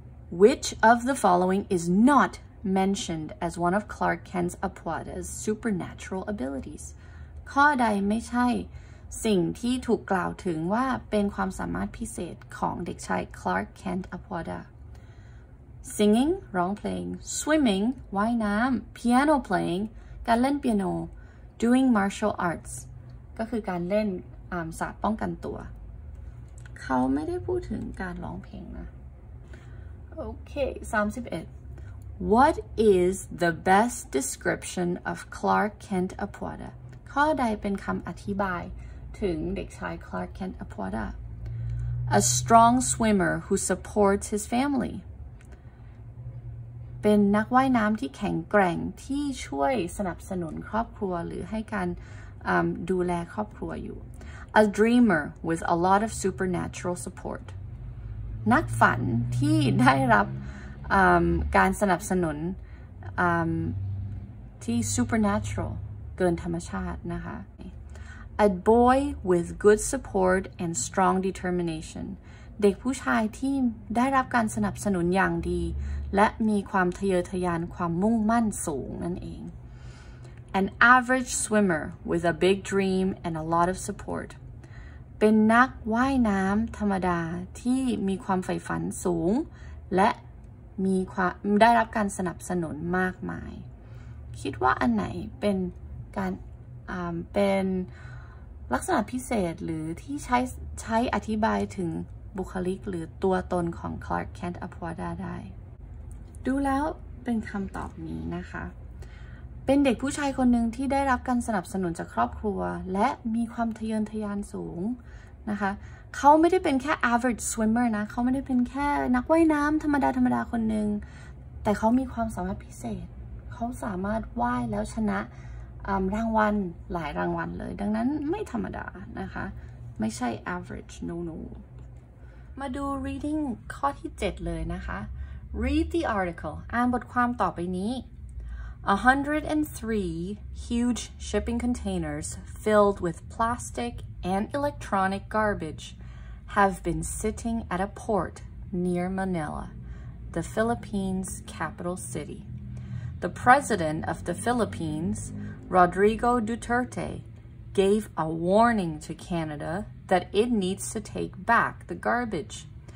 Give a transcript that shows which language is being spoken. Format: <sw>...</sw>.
<en>Which of the following is not mentioned as one of Clark Kent's Apuada's supernatural abilities</en> <th>ข้อใดไม่ใช่สิ่งที่ถูกกล่าวถึงว่าเป็นความสามารถพิเศษของเด็กชาย Clark Kent Apuada</th> <en>Singing</en> <th>ร้องเพลง</th> <en>Swimming</en> <th>ว่ายน้ำ</th> <en>Piano playing</en> <th>การเล่นเปียโน</th> <en>Doing martial arts</en> <th>ก็คือการเล่นศาสตร์ป้องกันตัวเขาไม่ได้พูดถึงการร้องเพลงนะโอเค31</th> <en>What is the best description of Clark Kent Apuada?</en> <th>ข้อใดเป็นคำอธิบายถึงเด็กชาย Clark Kent Apuada?</th> <en>A strong swimmer who supports his family.</en> <th>เป็นนักว่ายน้ำที่แข็งแกร่งที่ช่วยสนับสนุนครอบครัวหรือให้การดูแลครอบครัวอยู่</th> <en>A dreamer with a lot of supernatural support.</en> <th>นักฝันที่ได้รับการสนับสนุนที่ supernatural เกินธรรมชาตินะคะ</th> <en>A boy with good support and strong determination</en> <th>เด็กผู้ชายที่ได้รับการสนับสนุนอย่างดีและมีความทะเยอทะยานความมุ่งมั่นสูงนั่นเอง</th> <en>An average swimmer with a big dream and a lot of support</en> <th>เป็นนักว่ายน้ำธรรมดาที่มีความใฝ่ฝันสูงและมีความได้รับการสนับสนุนมากมายคิดว่าอันไหนเป็นการเป็นลักษณะพิเศษหรือที่ใช้อธิบายถึงบุคลิกหรือตัวตนของ Clark Kent Apuada ได้ ดูแล้วเป็นคำตอบนี้นะคะเป็นเด็กผู้ชายคนหนึ่งที่ได้รับการสนับสนุนจากครอบครัวและมีความทะเยอทะยานสูงนะคะเขาไม่ได้เป็นแค่</th> <en>average swimmer</en> <th>นะเขาไม่ได้เป็นแค่นักว่ายน้ำธรรมดาคนหนึ่งแต่เขามีความสามารถพิเศษเขาสามารถว่ายแล้วชนะ รางวัลหลายรางวัลเลยดังนั้นไม่ธรรมดานะคะไม่ใช่ average no มาดู reading ข้อที่7เลยนะคะ</th> <en>read the article</en> <th>อ่านบทความต่อไปนี้</th> <en>103 huge shipping containers filled with plasticand electronic garbage have been sitting at a port near Manila, the Philippines' capital city. The president of the Philippines, Rodrigo Duterte, gave a warning to Canada that it needs to take back the garbage.</en>